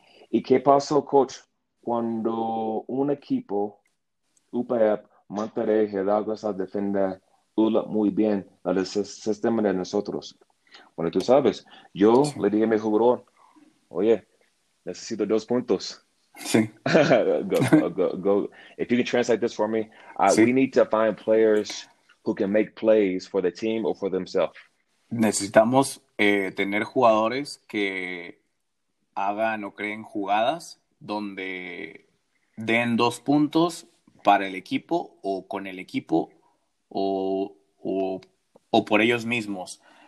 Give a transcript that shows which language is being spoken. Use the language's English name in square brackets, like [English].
[Spanish] ¿Y qué pasó, coach? Cuando un equipo, UPEP, Monterrey, Hidalgo, está defendiendo muy bien el sistema de nosotros. Bueno, tú sabes, yo le dije a mi jugador, oye, necesito 2 puntos. Sí. [English] Go, go, go, go. If you can translate this for me, we need to find players who can make plays for the team or for themselves. [Spanish] Necesitamos tener jugadores que hagan o creen jugadas donde den 2 puntos para el equipo o con el equipo o por ellos mismos.